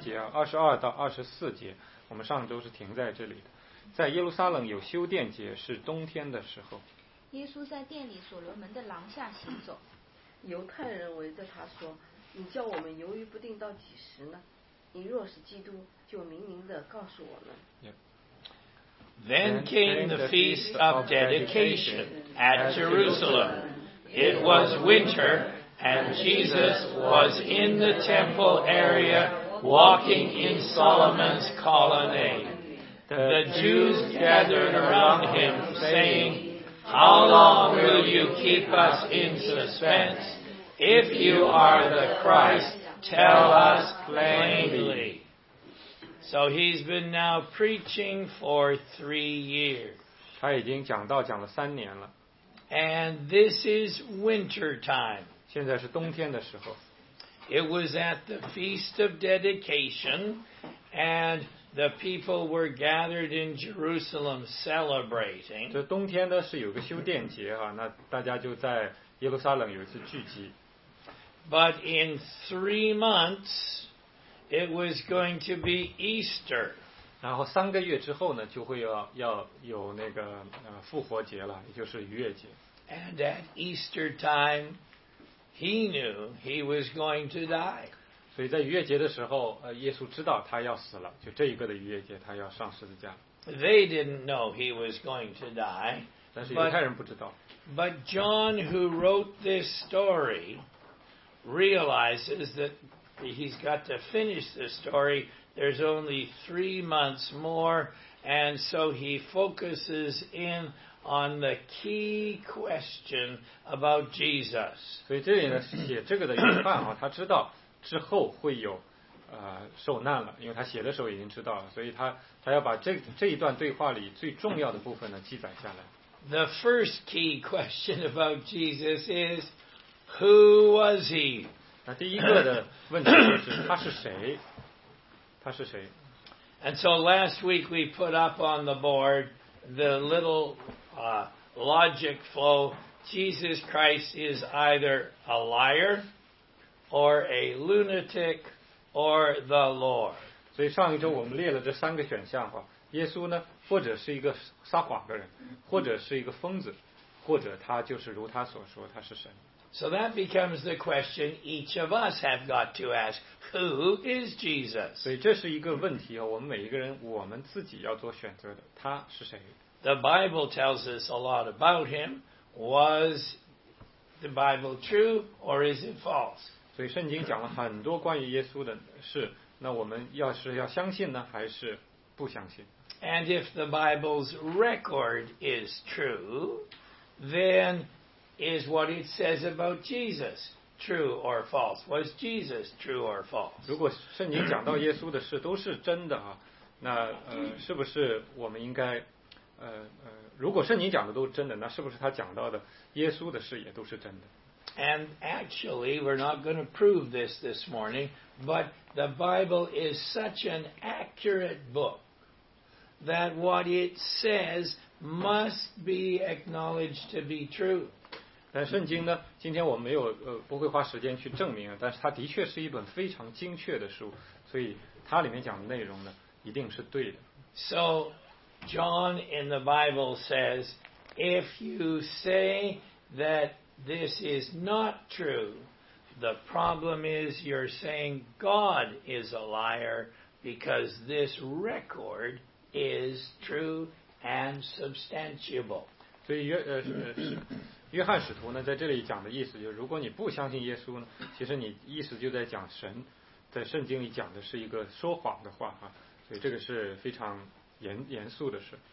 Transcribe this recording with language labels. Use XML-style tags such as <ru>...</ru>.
<zh>好，我们先读三节啊，22到24节，我们上周是停在这里的。在耶路撒冷有修殿节，是冬天的时候。耶稣在殿里所罗门的廊下行走。犹太人围着他说，你叫我们犹豫不定到几时呢？你若是基督，就明明地告诉我们。</zh> <en>Then came the feast of dedication at Jerusalem. It was winter, and Jesus was in the temple area walking in Solomon's colonnade. The Jews gathered around him, saying,How long will you keep us in suspense? If you are the Christ, tell us plainly. So he's been now preaching for 3 years.</en> <zh>他已经讲了三年了。</zh> <en>And this is winter time.</en> <zh>现在是冬天的时候。</zh> <en>It was at the Feast of Dedication, and... The people were gathered in Jerusalem celebrating.</en> <zh>这冬天呢是有个修殿节哈，那大家就在耶路撒冷有一次聚集。</zh> <en>But in 3 months, it was going to be Easter.</en> <zh>然后三个月之后呢，就会要有那个复活节了，也就是逾越节。</zh> <en>And at Easter time, he knew he was going to die.</en> <zh>所以在逾越节的时候，耶稣知道他要死了，就这一个的逾越节，他要上十字架。</zh> <en>They didn't know he was going to die.</en> <zh>但是犹太人不知道。</zh> <en>But John, who wrote this story, realizes that he's got to finish the story. There's only 3 months more, and so he focuses in on the key question about Jesus.</en> <zh>所以这里呢，写这个的约翰啊，他知道。之后会有受难了，因为他写的时候已经知道了，所以他要把这一段对话里最重要的部分呢记载下来。</zh> <en>The first key question about Jesus is who was he?</en> <zh>那第一个的问题就是他是谁？他是谁</zh> <en>？And so last week we put up on the board the little logic flow. Jesus Christ is either a liar. Or a lunatic, or the Lord.</en> <zh>所以上一周我们列了这三个选项哈，耶稣呢，或者是一个撒谎的人，或者是一个疯子，或者他就是如他所说，他是神。</zh> <en>So that becomes the question each of us have got to ask: Who is Jesus?</en> <zh>所以这是一个问题啊，我们每一个人，我们自己要做选择的，他是谁</zh> <en>？The Bible tells us a lot about him. Was the Bible true, or is it false?</en> <zh>所以圣经讲了很多关于耶稣的事，那我们要是要相信呢，还是不相信</zh> <en>？And if the Bible's record is true, then is what it says about Jesus true or false? Was Jesus true or false?</en> <zh>如果圣经讲到耶稣的事都是真的啊，那是不是我们应该如果圣经讲的都是真的，那是不是他讲到的耶稣的事也都是真的？</zh> <en>And actually, we're not going to prove this morning, but the Bible is such an accurate book that what it says must be acknowledged to be true.</en> <zh>但圣经呢，今天我没有不会花时间去证明，但是它的确是一本非常精确的书，所以它里面讲的内容呢，一定是对的。</zh> <en>So John in the Bible says, if you say that this is not true, the problem is you're saying God is a liar because this record is true and substantiable.</en> <zh>所以约翰使徒呢在这里讲的意思就是如果你不相信耶稣呢其实你意思就在讲神在圣经里讲的是一个说谎的话所以这个是非常严肃的事。</zh>